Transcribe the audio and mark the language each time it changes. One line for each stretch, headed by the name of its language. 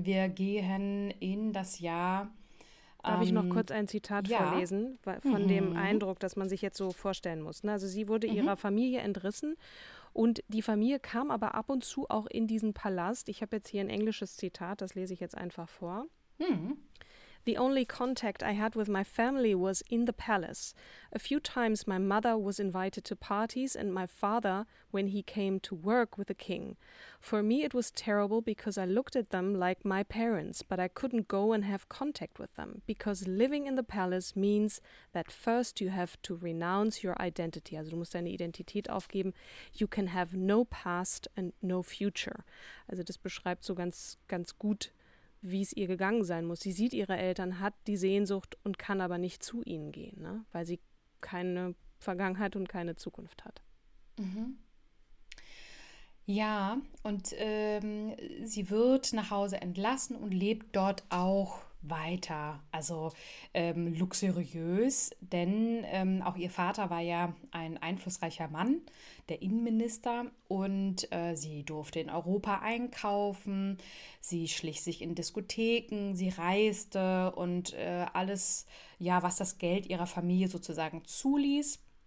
German: Wir gehen in das Jahr. Darf ich noch kurz ein Zitat vorlesen von dem Eindruck, dass man sich jetzt so vorstellen muss. Also sie wurde ihrer Familie entrissen und die Familie kam aber ab und zu auch in diesen Palast. Ich habe jetzt hier ein englisches Zitat, das lese ich jetzt einfach vor.
English: The only contact I had with my family was in the palace. A few times my mother was invited to parties and my father when he came to work with the king. For me it was terrible because I looked at them like my parents, but I couldn't go and have contact with them. Because living in the palace means that first you have to renounce your identity.
German: Also du musst deine Identität aufgeben.
English: You can have no past and no future.
German: Also das beschreibt so ganz, ganz gut, wie es ihr gegangen sein muss. Sie sieht ihre Eltern, hat die Sehnsucht und kann aber nicht zu ihnen gehen, ne? Weil sie keine Vergangenheit und keine Zukunft hat. Mhm. Ja, und sie wird nach Hause entlassen und lebt dort auch weiter, also luxuriös, denn auch ihr Vater war ja ein einflussreicher Mann, der Innenminister, und sie durfte in Europa einkaufen, sie schlich sich in Diskotheken, sie reiste und alles, ja, was das Geld ihrer Familie sozusagen zuließ.